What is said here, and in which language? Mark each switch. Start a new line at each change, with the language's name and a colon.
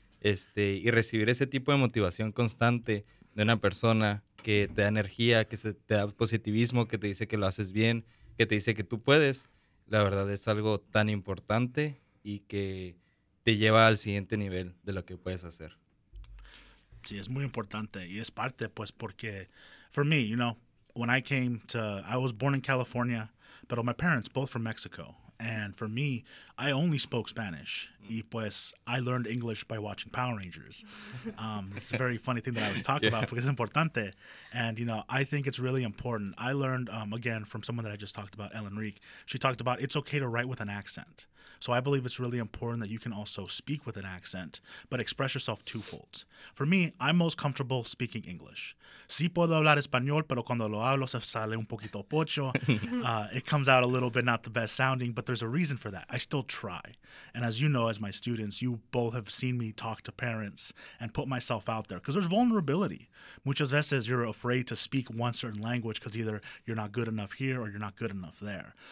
Spanish: Y recibir ese tipo de motivación constante de una persona que te da energía, que te da positivismo, que te dice que lo haces bien, que te dice que tú puedes, la verdad es algo tan importante y que te lleva al siguiente nivel de lo que puedes hacer. Sí, es muy importante y es parte, pues, porque
English: for me, you know, when I came to, I was born in California, but my parents both from Mexico. And for me, I only spoke Spanish.
Spanish: Y pues,
English: I learned English by watching Power Rangers. It's a very funny thing that I was talking about,
Spanish: porque es importante.
English: And, you know, I think it's really important. I learned, again, from someone that I just talked about, Ellen Reek. She talked about it's okay to write with an accent. So I believe it's really important that you can also speak with an accent, but express yourself twofold. For me, I'm most comfortable speaking English.
Spanish: Sí puedo hablar español, pero cuando lo hablo se sale un poquito pocho.
English: It comes out a little bit not the best sounding, but there's a reason for that. I still try. And as you know, as my students, you both have seen me talk to parents and put myself out there because there's vulnerability.
Spanish: Muchas veces
English: you're afraid to speak one certain language because either you're not good enough here or you're not good enough there.